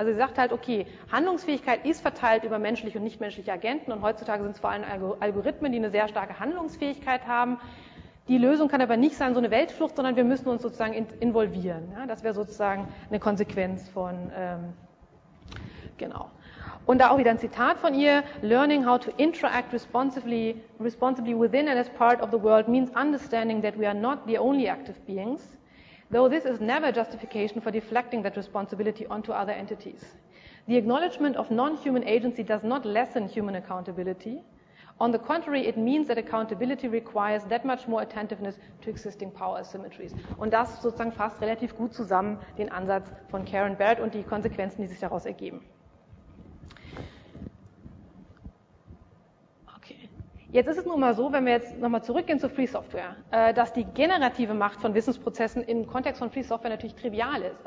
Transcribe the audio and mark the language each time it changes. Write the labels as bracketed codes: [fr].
[de] Also sie sagt halt, okay, Handlungsfähigkeit ist verteilt über menschliche und nichtmenschliche Agenten und heutzutage sind es vor allem Algorithmen, die eine sehr starke Handlungsfähigkeit haben. Die Lösung kann aber nicht sein, so eine Weltflucht, sondern wir müssen uns sozusagen involvieren. Ja, das wäre sozusagen eine Konsequenz von, genau. Und da auch wieder ein Zitat von ihr, [en] learning how to interact responsibly within and as part of the world means understanding that we are not the only active beings, though this is never justification for deflecting that responsibility onto other entities. The acknowledgement of non-human agency does not lessen human accountability, On the contrary, it means that accountability requires that much more attentiveness to existing power asymmetries. [de] Und das sozusagen fasst relativ gut zusammen den Ansatz von Karen Barrett und die Konsequenzen, die sich daraus ergeben. Jetzt ist es nun mal so, wenn wir jetzt nochmal zurückgehen zu Free Software, dass die generative Macht von Wissensprozessen im Kontext von Free Software natürlich trivial ist.